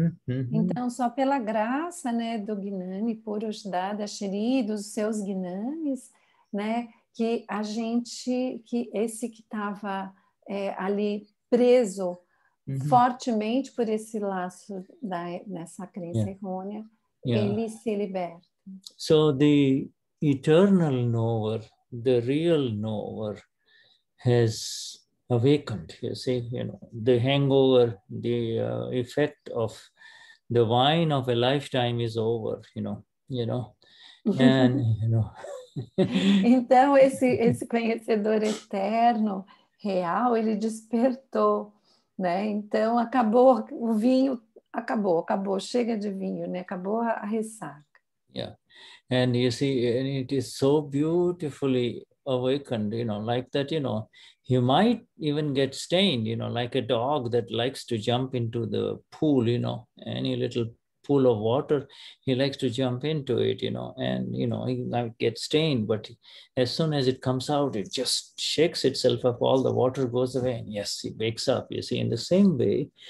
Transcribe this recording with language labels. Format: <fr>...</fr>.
<pt>Então, só pela graça, né, do Gnani Purush Dadashri, dos seus Gnanis, né, que a gente, que esse que estava ali preso fortemente por esse laço nessa crença errônea, ele se liberta.</pt> <en>So the eternal knower, the real knower, has awakened, you see, you know, the hangover, the effect of the wine of a lifetime is over, you know, and, you know.</en> <pt>Então, esse conhecedor eterno, real, ele despertou, né? Então, acabou o vinho, acabou, chega de vinho, né? Acabou a ressaca.</pt> <en>Yeah, and you see, and it is so beautifully awakened, you know, like that, you know, you might even get stained, you know, like a dog that likes to jump into the pool, you know, any little pool of water, he likes to jump into it, you know, and, you know, he might get stained, but as soon as it comes out, it just shakes itself up, all the water goes away, and yes, he wakes up, you see, in the same way.</en>